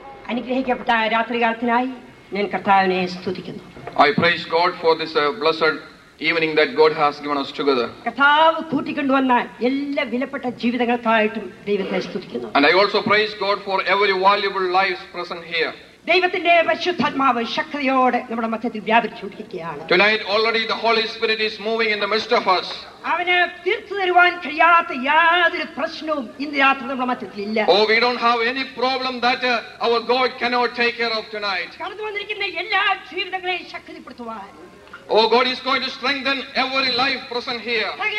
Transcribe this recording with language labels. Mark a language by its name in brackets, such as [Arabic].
[Malayalam] അനുഗ്രഹിക്കപ്പെട്ട രാത്രികാലത്തിനായി ഞാൻ കർത്താവിനെ സ്തുതിക്കുന്നു. [English] I praise God for this blessed evening that God has given us together. [Malayalam] കർത്താവ് കൂട്ടിക്കൊണ്ടു വന്ന എല്ലാ വിലപ്പെട്ട ജീവിതങ്ങൾക്കായിട്ടും ദൈവത്തെ സ്തുതിക്കുന്നു. [English] And I also praise God for every valuable lives present here. [Malayalam] ദൈവത്തിന്റെ പരിശുദ്ധാത്മാവ് ശക്തിയോടെ നമ്മുടെ മധ്യത്തിൽ വ്യാപിച്ചുകൊണ്ടിരിക്കുകയാണ്. [English] Tonight already the Holy Spirit is moving in the midst of us. [Malayalam] അവനെ തീർത്തു തരുവാൻ കഴിയാത്ത യാതൊരു പ്രശ്നവും ഇന്ന് രാത്രി നമ്മുടെ മധ്യത്തിൽ ഇല്ല. [English] Oh, we don't have any problem that our God cannot take care of tonight. [Malayalam] കടന്നു വന്നിരിക്കുന്ന എല്ലാ ജീവിതങ്ങളെയും ശക്തിപ്പെടുത്തുവാൻ. [English] Oh, God is going to strengthen every life present here.